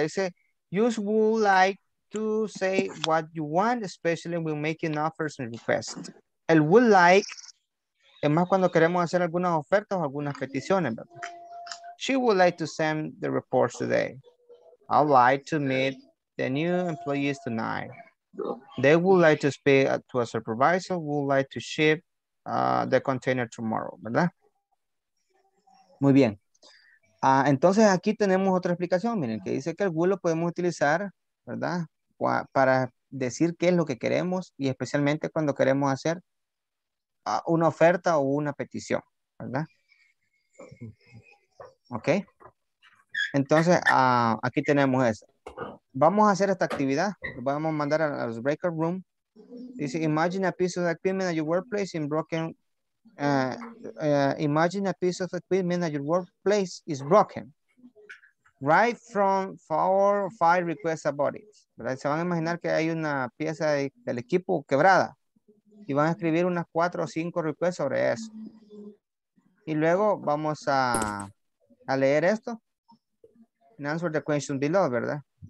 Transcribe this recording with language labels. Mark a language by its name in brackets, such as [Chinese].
[Spanish] Dice, [English] you would like to say what you want, especially when making offers and requests. [Spanish] El would like... Es más cuando queremos hacer algunas ofertas o algunas peticiones, ¿verdad? [English] She would like to send the reports today. I would like to meet the new employees tonight. They would like to speak to a supervisor. Would like to ship the container tomorrow, [Spanish] ¿verdad? Muy bien. Entonces aquí tenemos otra explicación. Miren, que dice que el will lo podemos utilizar, ¿verdad? Para decir qué es lo que queremos y especialmente cuando queremos hacer una oferta o una petición, ¿verdad? Ok. Entonces, aquí tenemos eso. Vamos a hacer esta actividad. Vamos a mandar a los breakout room. [English] Dice, imagine a piece of equipment at your workplace in broken. Imagine a piece of equipment at your workplace is broken. Write from 4 or 5 requests about it. ¿Verdad? [Spanish] Se van a imaginar que hay una pieza del equipo quebrada. Y van a escribir unas 4 o 5 requests sobre eso. Y luego vamos a leer esto. [English] And answer the question below, [Spanish] ¿verdad?